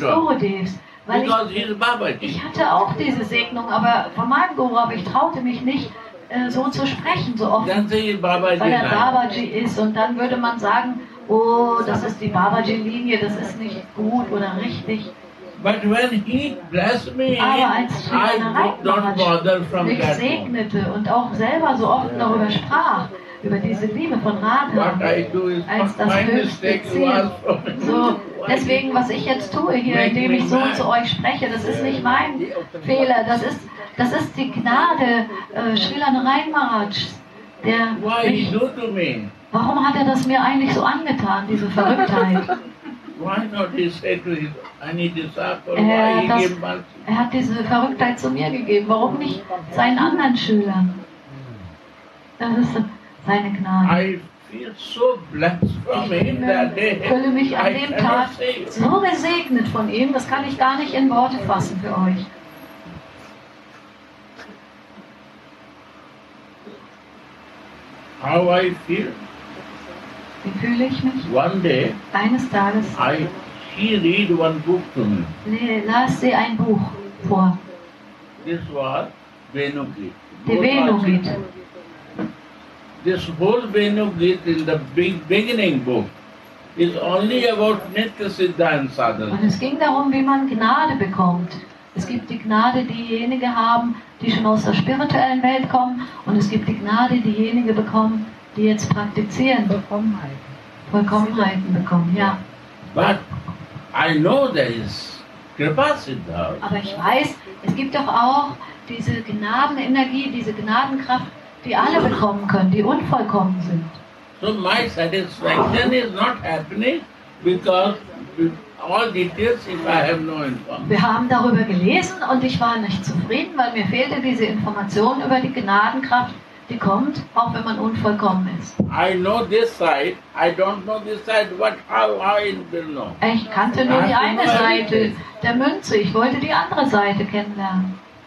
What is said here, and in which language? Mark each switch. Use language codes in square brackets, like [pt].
[en] to talk. [de] Gurudevs. Weil ich hatte auch diese Segnung, aber von meinem Guru, aber ich traute mich nicht, so zu sprechen, so offen, weil er Babaji ist. Und dann würde man sagen, oh, das ist die Babaji-Linie, das ist nicht gut oder richtig. [en] But when he blessed me, I would not bother from [de] mich segnete und auch selber so offen darüber sprach, über diese Liebe von Radha, als das höchste Ziel. So, deswegen, was ich jetzt tue hier, indem ich so zu euch spreche, das ist nicht mein Fehler, das ist die Gnade Srila Narayan Maharaj, der mich, warum hat er das mir eigentlich so angetan, diese Verrücktheit? [en] Why not he say to his any disciple why he gave mercy? [de] Er hat diese Verrücktheit zu mir gegeben. Warum nicht seinen anderen Schülern? Das ist seine Gnade. [en] I feel so blessed from him that day. [de] Ich fühle mich an dem Tag so gesegnet von ihm, das kann ich gar nicht in Worte fassen für euch. [en] How I feel? [de] Wie fühle ich mich? [en] One day, [de] eines Tages, [en] he read one book to me. [de] Las sie ein Buch vor. [en] This was Venugrit. [de] Die Venugrit. [en] This whole Venugrit in the beginning book is only about Nitya Siddha and Sadhana. [de] Und es ging darum, wie man Gnade bekommt. Es gibt die Gnade, diejenigen haben, die schon aus der spirituellen Welt kommen, und es gibt die Gnade, diejenigen bekommen, die jetzt praktizieren, Vollkommenheiten bekommen, ja. [en] But I know there is Kripa Siddha. [de] Aber ich weiß, es gibt doch auch diese Gnadenenergie, diese Gnadenkraft, die alle bekommen können, die unvollkommen sind. [en] So my satisfaction is not happening because all details if I have no information. [de] Wir haben darüber gelesen und ich war nicht zufrieden, weil mir fehlte diese Information über die Gnadenkraft, die kommt, auch wenn man unvollkommen ist. [en] I know this side, I don't know this side, but how I will know. [de] Ich kannte nur die eine Seite der Münze, ich wollte die andere Seite kennenlernen.